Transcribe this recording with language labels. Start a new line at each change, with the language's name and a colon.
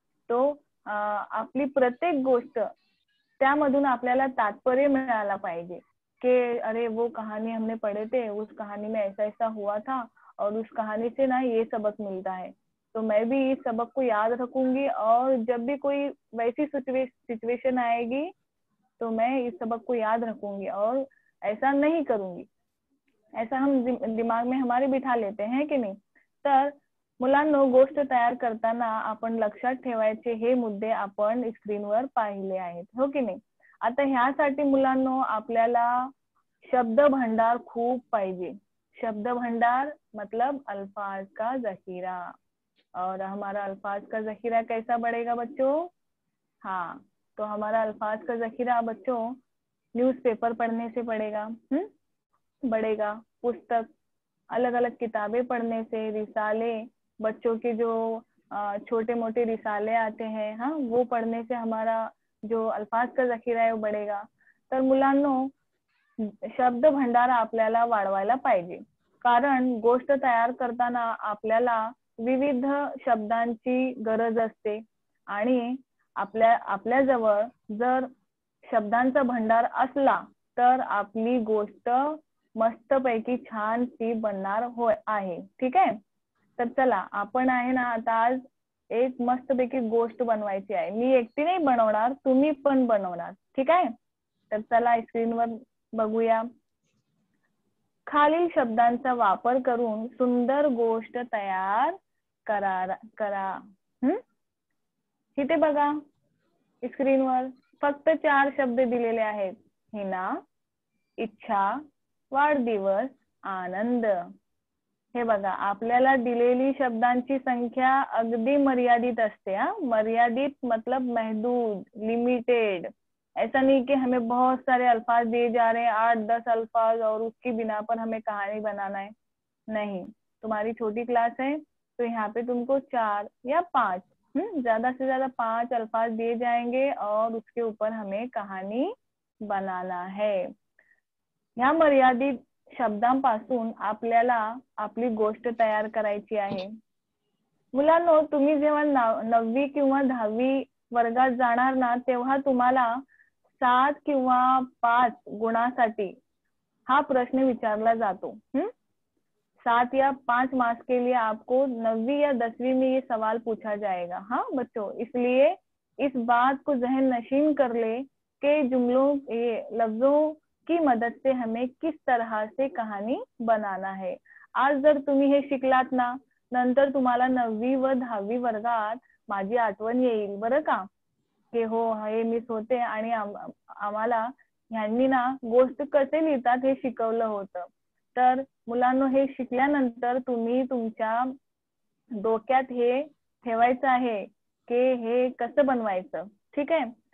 Hindi: तो
Marathi: आपली प्रत्येक गोष्ट त्यामधून आपल्याला तात्पर्य मिळाला पाहिजे
Hindi: कि अरे वो कहानी हमने पढ़े थे, उस कहानी में ऐसा ऐसा हुआ था और उस कहानी से ना ये सबक मिलता है, तो मैं भी इस सबक को याद रखूंगी और जब भी कोई वैसी सिचुएशन आएगी तो मैं इस सबक को याद रखूंगी और ऐसा नहीं करूंगी। ऐसा हम दिमाग में हमारे बिठा लेते हैं कि नहीं।
Marathi: तर मुलांनो, गोष्ट तयार करताना आपण लक्षात ठेवायचे हे मुद्दे आपण स्क्रीनवर पाहिले आहेत, हो की नाही। आता ह्यासाठी मुलांनो आपल्याला शब्द भंडार खूप पाहिजे।
Hindi: शब्द भंडार मतलब अल्फाज का जखीरा। और हमारा अल्फाज का जखीरा कैसा बढ़ेगा बच्चों? हाँ, तो हमारा अल्फाज का जखीरा बच्चों न्यूज़पेपर पढ़ने से बढ़ेगा। बढ़ेगा पुस्तक, अलग अलग किताबें पढ़ने से, रिसाले, बच्चों के जो छोटे मोटे रिसाले आते हैं, हाँ वो पढ़ने से हमारा जो अल्फाज का जखीरा है वो बढ़ेगा।
Marathi: तर मुलांनो शब्द भंडार आपल्याला वाढवायला पाहिजे, कारण गोष्ट तयार करताना आपल्याला विविध शब्दांची गरज असते आणि आपल्या आपल्याजवळ जर शब्दांचा भंडार असला तर आपली गोष्ट मस्तपैकी छान सी बनणार होय आहे, ठीक आहे। तर चला आपण आहे ना आता आज एक मस्तपैकी गोष्ट बनवायची आहे। मी एकटी नाही बनवणार, तुम्ही पण बनवणार, ठीक आहे। तर चला स्क्रीनवर बघूया। खालील शब्दांचा वापर करून सुंदर गोष्ट तयार करा। इथे बघा स्क्रीनवर फक्त चार शब्द दिलेले आहेत, हिना, इच्छा, वाढदिवस, आनंद। हे बघा, आपल्याला दिलेली शब्दांची संख्या अगदी मर्यादित असते। हा मर्यादित मतलब महदूद, लिमिटेड।
Hindi: ऐसा नहीं कि हमें बहुत सारे अल्फाज दिए जा रहे हैं, 8-10 अल्फाज, और उसकी बिना पर हमें कहानी बनाना है। नहीं, तुम्हारी छोटी क्लास है तो यहाँ पे तुमको 4 या 5, ज्यादा से ज्यादा 5 अल्फाज दिए जाएंगे और उसके ऊपर हमें कहानी बनाना है।
Marathi: या मर्यादित शब्दांपासून आपल्याला आपली गोष्ट तयार करायची आहे। मुलांनो तुम्ही जेव्हा 9वी किंवा 10वी वर्गात जाणार ना तेव्हा तुम्हाला 7 किंवा 5 गुणांसाठी हा प्रश्न विचारला जातो।
Hindi: 7 या 5 मार्क्स के लिए आपको 9वी या 10वी में ये सवाल पूछा जाएगा। हाँ बच्चों, इसलिए इस बात को जहन नशीन कर ले के जुमलों ये लफ्जों की मदद से हमें किस तरह से कहानी बनाना है।
Marathi: आज जर तुम्ही हे शिकलात ना, नंतर तुम्हाला 9वी व 10वी वर्गात माझी आठवण येईल बरं का, के हो हे मिस होते आणि आम्हाला ह्यांनी ना गोष्ट कसे लिहितात हे शिकवलं होतं। तर मुलांनो हे शिकल्यानंतर तुम्ही तुमच्या डोक्यात हे ठेवायचं आहे की हे कसं बनवायचं, ठीक आहे।